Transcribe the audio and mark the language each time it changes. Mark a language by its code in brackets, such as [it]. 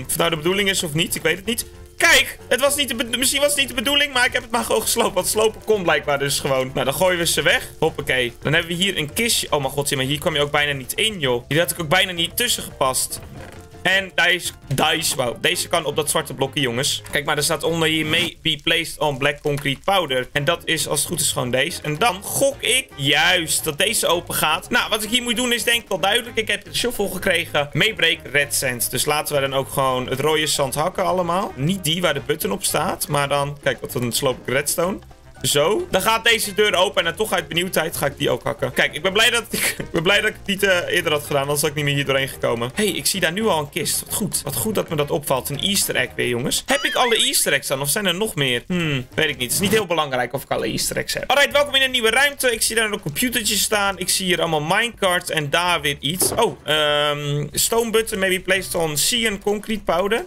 [nl] Of het nou de bedoeling is of niet, ik weet het niet. Kijk, het was niet de misschien was het niet de bedoeling, maar ik heb het maar gewoon gesloopt. Want slopen kon blijkbaar dus gewoon. Nou, dan gooien we ze weg. Hoppakee. Dan hebben we hier een kistje. Oh mijn god, maar hier kwam je ook bijna niet in, joh. Hier had ik ook bijna niet tussen gepast. En dice. Wow. Deze kan op dat zwarte blokje, jongens. Kijk maar, er staat onder hier... [en] May be placed on black concrete powder. [nl] En dat is, als het goed is, gewoon deze. En dan gok ik juist dat deze open gaat. Nou, wat ik hier moet doen is denk ik wel duidelijk. Ik heb de shovel gekregen. Meebreek red sand. Dus laten we dan ook gewoon het rode zand hakken allemaal. Niet die waar de button op staat. Maar dan... Kijk, wat een sloop ik redstone. Zo. Dan gaat deze deur open. En dan toch uit benieuwdheid ga ik die ook hakken. Kijk, ik ben blij dat ik het niet eerder had gedaan. Anders had ik niet meer hier doorheen gekomen. Hé, ik zie daar nu al een kist. Wat goed. Wat goed dat me dat opvalt. Een easter egg weer, jongens. Heb ik alle easter eggs dan? Of zijn er nog meer? Weet ik niet. Het is niet heel belangrijk of ik alle easter eggs heb. Allright, welkom in een nieuwe ruimte. Ik zie daar een computertje staan. Ik zie hier allemaal minecarts. En daar weer iets. Stone button. [en] Maybe placed on cyan concrete powder.